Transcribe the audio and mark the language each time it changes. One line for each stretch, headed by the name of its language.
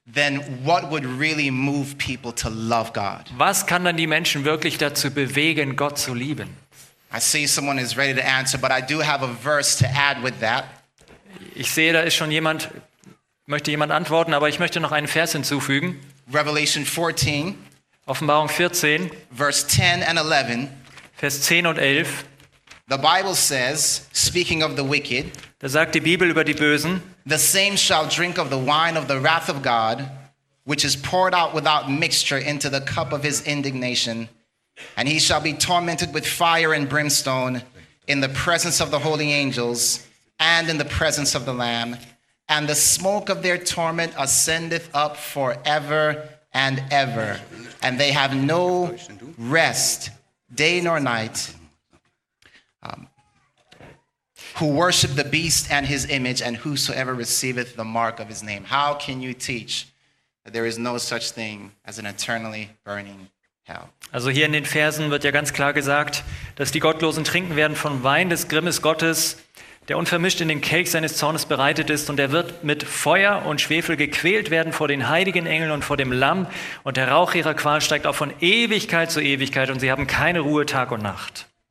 English: then what would really move people to love God?
German: Was kann dann die Menschen wirklich dazu bewegen, Gott zu lieben?
English: I see someone is ready to answer, but I do have a verse to add with that.
German: Ich sehe, da ist schon jemand, möchte jemand antworten, aber ich möchte noch einen Vers hinzufügen.
English: Revelation 14,
German: Offenbarung 14,
English: verse 10 and 11.
German: Vers 10 und 11.
English: The Bible says, speaking of the wicked,
German: da sagt die Bibel über die Bösen,
English: the same shall drink of the wine of the wrath of God, which is poured out without mixture into the cup of his indignation, and he shall be tormented with fire and brimstone in the presence of the holy angels and in the presence of the Lamb, and the smoke of their torment ascendeth up forever and ever, and they have no rest day nor night. Who worship the beast and his image, and whosoever receiveth the mark of his name. How can you teach that there is no such thing as an eternally burning hell?
German: Also hier in den Versen wird ja ganz klar gesagt, dass die Gottlosen trinken werden von Wein des Grimmes Gottes, der unvermischt in den Kelch seines Zornes bereitet ist, und er wird mit Feuer und Schwefel gequält werden vor den heiligen Engeln und vor dem Lamm, und der Rauch ihrer Qual steigt auch von Ewigkeit zu Ewigkeit, und sie haben keine Ruhe Tag und Nacht.